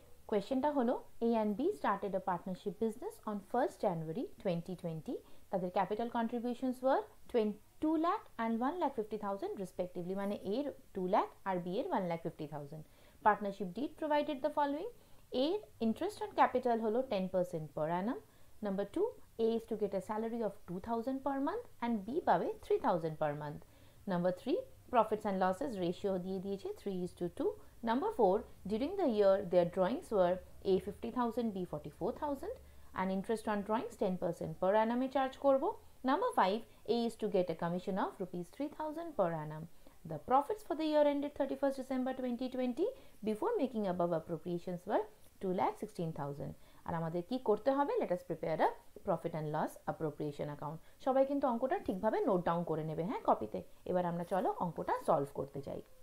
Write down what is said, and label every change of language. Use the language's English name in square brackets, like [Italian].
[English] কোয়েশ্চেনটা হলো, A and B started a partnership business on 1st January 2020, তাদের capital contributions were 2 lakh and 1,50,000 respectively, [Bangla] মানে এর 2 লাখ আর বি এর 1,50,000। [English] Partnership deed provided the following, এর interest on capital হলো 10% per annum. Number two, A is to get a salary of 2,000 per month and B pave 3,000 per month. Number 3, profits and losses ratio [Bangla] diye diyeche [English] 3:2. Number 4, during the year their drawings were A 50,000, B 44,000 and interest on drawings 10% per annum [Bangla] e charge korbo. [English] Number 5, A is to get a commission of rupees 3,000 per annum. The profits for the year ended 31st December 2020 before making above appropriations were 2,16,000. [Bangla] আর আমাদের কি করতে হবে, [English] Let us prepare a profit and loss appropriation account. [Bangla] সবাই কিন্তু অঙ্কটা ঠিকভাবে note down করে নেবে, হ্যাঁ কপিতে। এবার আমরা চলো অঙ্কটা সলভ করতে যাই।